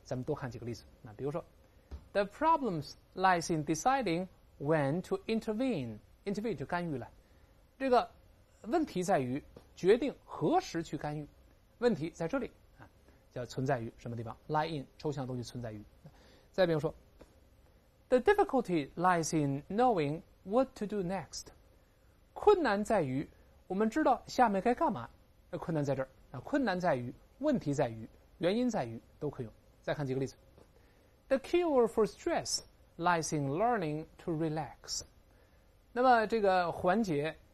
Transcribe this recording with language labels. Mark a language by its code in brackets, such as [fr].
[zh] 咱们多看几个例子。那比如说 ， [en] The problem lies in deciding when to intervene。 [zh] intervene 就干预了。这个问题在于决定何时去干预，问题在这里啊，叫存在于什么地方 ？lie in 抽象的东西存在于。再比如说 [en] ，the difficulty lies in knowing what to do next。 [zh] 困难在于我们知道下面该干嘛。困难在这儿啊，困难在于，问题在于，原因在于，都可以用。再看几个例子 [en] ，the cure for stress lies in learning to relax。 [zh] 那么这个环节。